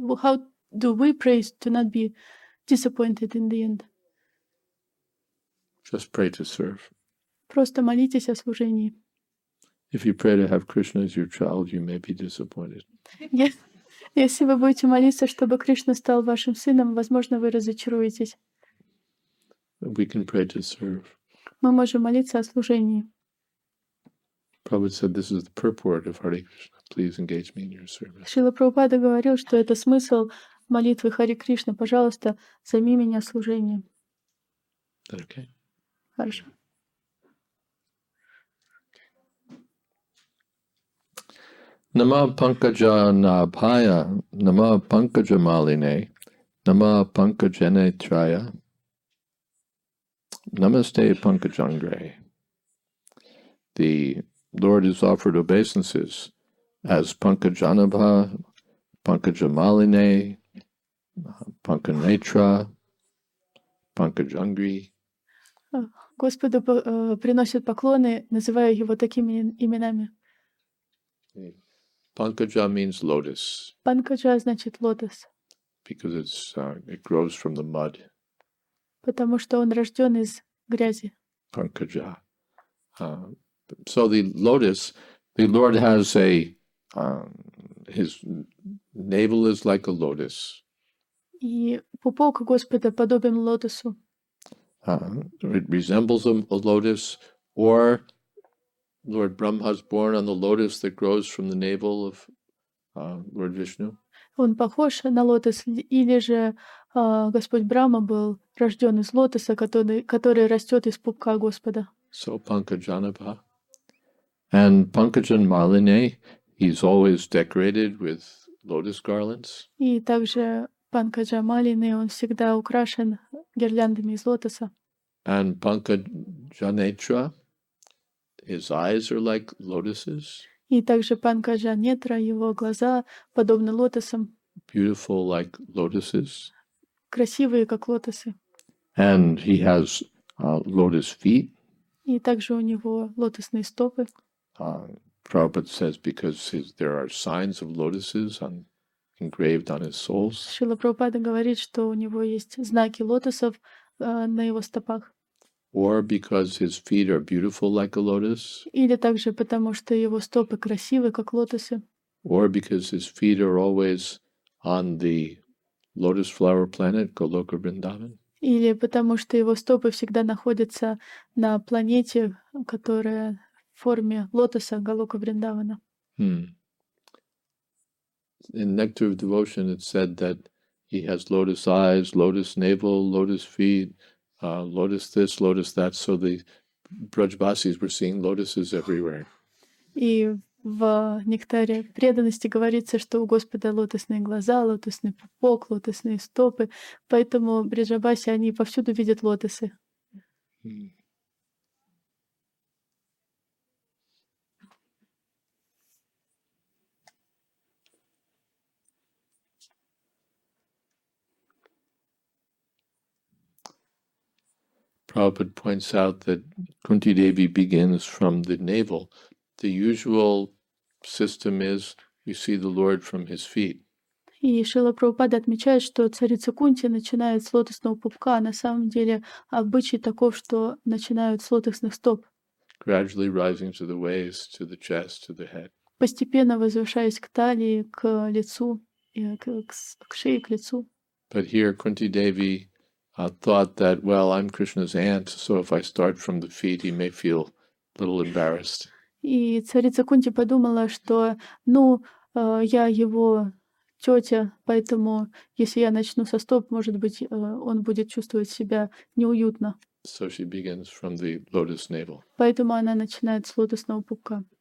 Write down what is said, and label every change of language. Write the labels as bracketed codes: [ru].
[en] How do we pray to not be disappointed in the end? Just pray to serve. [ru] Просто молитесь о служении. [en] If you pray to have Krishna as your child, you may be disappointed. [ru] Если вы будете молиться, чтобы Кришна стал вашим сыном, возможно, вы разочаруетесь. [en] We can pray to serve. [ru] Мы можем молиться о служении. [en] Prabhupada said, this is the purport of Hare Krishna. Please engage me in your service. [ru] Шрила Прабхупада говорил, что это смысл молитвы Хари Кришна. Пожалуйста, займи меня служением. [en] That okay? [ru] Хорошо. [sa] Nama Pankaja Nabhaya, Nama Pankaja Maline, Nama Pankajene Traya, Namaste Pankajangre. [en] The Lord has offered obeisances as Pankajanabha, Pankajamaline, Pankanetra, Pankajangri. [ru] Господу приносит поклоны, называя его такими именами. [en] Pankaja means lotus. [ru] Pankaja значит лотос. [en] Because it's it grows from the mud. [ru] Потому что он рожден из грязи. [en] Pankaja. So the lotus, the Lord has a his navel is like a lotus. [ru] И пупок Господа подобен лотосу. [en] It resembles a lotus, or Lord Brahma is born on the lotus that grows from the navel of Lord Vishnu. [ru] он похож на лотос, или же Господь Брама был рожден из лотоса, который растет из пупка Господа. [en] So Pankajanabha. And Pankajan Malini, he's always decorated with lotus garlands. [ru] И также Панкаджа Малини, он всегда украшен гирляндами из лотоса. [en] And Pankajanetra, his eyes are like lotuses. [ru] И также Панкаджа Нетра, его глаза подобны лотосам. [en] Beautiful like lotuses. [ru] Красивые, как лотосы. [en] And he has lotus feet. [ru] И также у него лотосные стопы. [en] Prabhupada says because there are signs of lotuses on, engraved on his soles. [ru] Шрила Прабхупада говорит, что у него есть знаки лотосов на его стопах. [en] Or because his feet are beautiful like a lotus. [ru] Или также потому, что его стопы красивы, как лотосы. [en] Or because his feet are always on the lotus flower planet, Goloka Vrindavan. [ru] Или потому, что его стопы всегда находятся на планете, которая в форме лотоса Голока Вриндавана. [en] In Nectar of Devotion it said that he has lotus eyes, lotus navel, lotus feet, lotus this, lotus that, so the Brajbasis were seeing lotuses everywhere. [ru] И в Нектаре преданности говорится, что у Господа лотосные глаза, лотосный пупок, лотосные стопы, поэтому Брижабаси, они повсюду видят лотосы. [en] Prabhupada points out that Kunti Devi begins from the navel. The usual system is you see the Lord from his feet. [ru] И Шрила Прабхупада отмечает, что царица Кунти начинает с лотосного пупка, а на самом деле обычай таков, что начинают с лотосных стоп. [en] Gradually rising to the waist, to the chest, to the head. [ru] Постепенно возвышаясь к талии, к лицу, к шее, к лицу. [en] But here Kunti Devi thought that, well, I'm Krishna's aunt, so if I start from the feet, he may feel a little embarrassed. [ru] И царица Кунти подумала, что, ну, я его тетя, поэтому, если я начну со стоп, может быть, он будет чувствовать себя неуютно. [en] So she begins from the lotus navel. [ru] Поэтому она начинает с лотосного пупка.